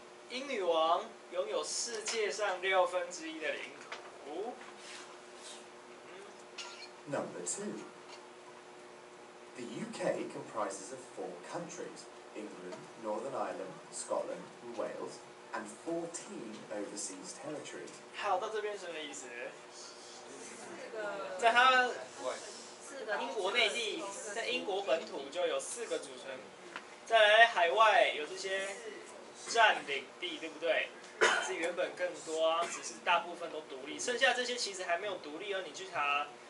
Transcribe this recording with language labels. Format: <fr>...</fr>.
<zh>英女王拥有世界上六分之一的领土。</zh> <en>Number two. The UK comprises of four countries, England, Northern Ireland, Scotland, and Wales, and 14 overseas territories.</en> <zh>好，到这边什么意思？在他英国内地，在英国本土就有四个组成，在海外有这些占领地，对不对？是原本更多啊，只是大部分都独立，剩下这些其实还没有独立哦，你去查。</zh>